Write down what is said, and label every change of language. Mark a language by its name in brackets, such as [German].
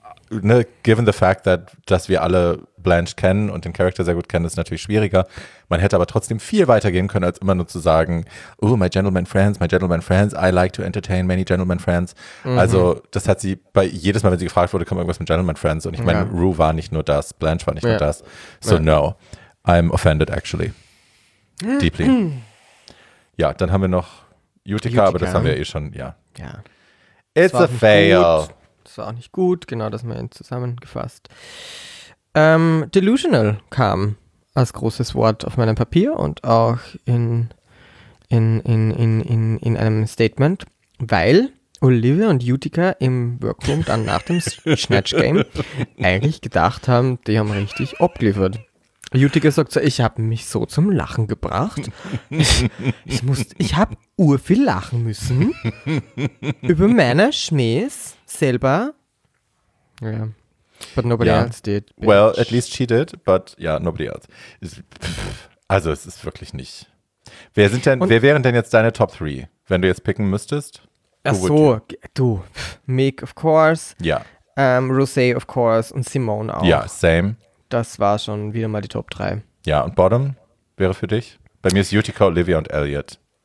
[German] Ne, [English] given the fact that, [German] dass wir alle Blanche kennen und den Charakter sehr gut kennen, ist natürlich schwieriger. Man hätte aber trotzdem viel weiter gehen können, als immer nur zu sagen, [English] oh, my gentleman friends, [German] I like to entertain many gentleman friends. Mhm. Also das hat sie, bei jedes Mal, wenn sie gefragt wurde, kommt irgendwas mit gentleman friends. Und ich meine, Rue war nicht nur das, Blanche war nicht nur das. [English] So no, I'm offended actually. Deeply. [German] Ja, dann haben wir noch Utica, aber das haben wir eh schon, ja. Ja. [English] It's a fail. [German] Gut. Das war auch nicht gut, genau, das haben wir zusammengefasst. Delusional kam als großes Wort auf meinem Papier und auch in einem Statement, weil Olivia und Utica im Workroom dann nach dem Snatch Game eigentlich gedacht haben, die haben richtig abgeliefert. Utica sagt so, ich habe mich so zum Lachen gebracht. Ich habe urviel lachen müssen über meine Schmähs selber. [English] Yeah. But nobody else did. Bitch. Well, at least she did, but yeah, nobody else. [German] Also es ist wirklich nicht. Wer wären denn jetzt deine Top 3, wenn du jetzt picken müsstest? Ach so, du. Mick, [English] of course. [German] Ja. [English] Yeah. Rosé, of course. [German] Und Simone auch. [English] Ja, yeah, same. [German] Das war schon wieder mal die Top 3. Ja, und Bottom wäre für dich? Bei mir ist Utica, Olivia und Elliot.